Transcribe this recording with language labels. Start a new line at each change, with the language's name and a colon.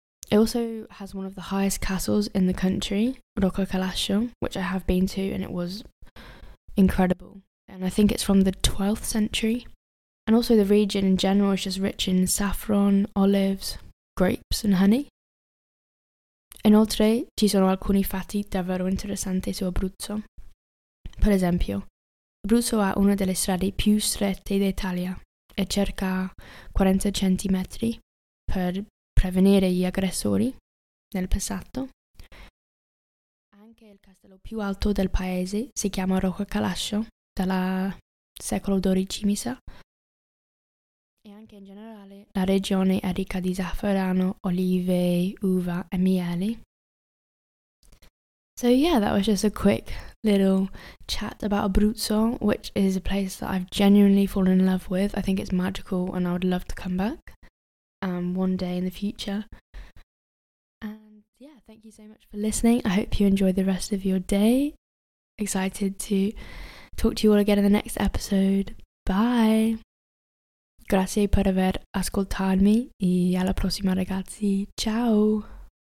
English: It also has one of the highest castles in the country, Rocco Calascio, which I have been to, and it was incredible. And I think it's from the 12th century. And also the region in general is just rich in saffron, olives, grapes and honey.
Italian: Inoltre, ci sono alcuni fatti davvero interessanti su Abruzzo. Per esempio, Abruzzo ha una delle strade più strette d'Italia e circa 40 centimetri per prevenire gli aggressori nel passato. Anche il castello più alto del paese si chiama Rocco Calascio, dal secolo XII, mi sa. E anche in generale la regione è ricca di zafferano, olive, uva e miele.
English: So yeah, that was just a quick little chat about Abruzzo, which is a place that I've genuinely fallen in love with. I think it's magical and I would love to come back one day in the future. And yeah, thank you so much for listening. I hope you enjoy the rest of your day. Excited to talk to you all again in the next episode. Bye!
Italian: Grazie per aver ascoltarmi e alla prossima ragazzi. Ciao!